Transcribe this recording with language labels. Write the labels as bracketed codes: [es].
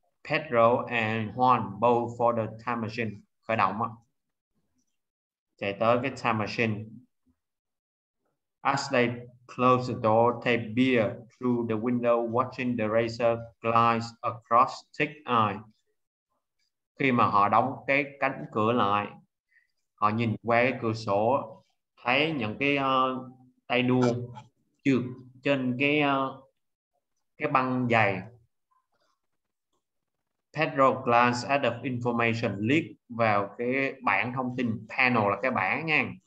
[en] Pedro and Juan both for the time machine, [vi] khởi động đó. Chạy tới cái time machine. [en] As they close the door, they peer through the window watching the racer glide across thick ice. [vi] Khi mà họ đóng cái cánh cửa lại, họ nhìn qua cái cửa sổ, thấy những cái tay đua trượt trên cái băng dày. [en] Pedro glanced at the information, [vi] liếc vào cái bảng thông tin, panel là cái bảng nha.